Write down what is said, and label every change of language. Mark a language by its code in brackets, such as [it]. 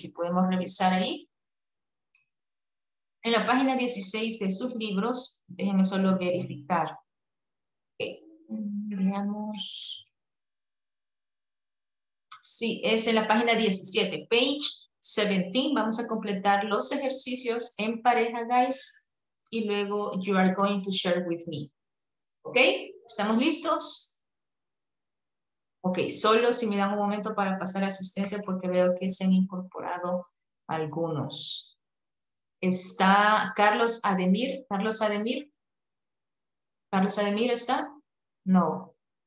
[es] Si podemos revisar ahí. En la página 16 de sus libros, déjenme solo verificar. Ok, veamos. Sí, es en la página 17, [en] page 17. [es] Vamos a completar los ejercicios en pareja, guys. Y luego, [en] you are going to share with me. [es] ¿Ok? ¿Estamos listos? Ok, solo si me dan un momento para pasar asistencia porque veo que se han incorporado algunos. ¿Está Carlos Ademir? ¿Carlos Ademir? ¿Carlos Ademir está? No.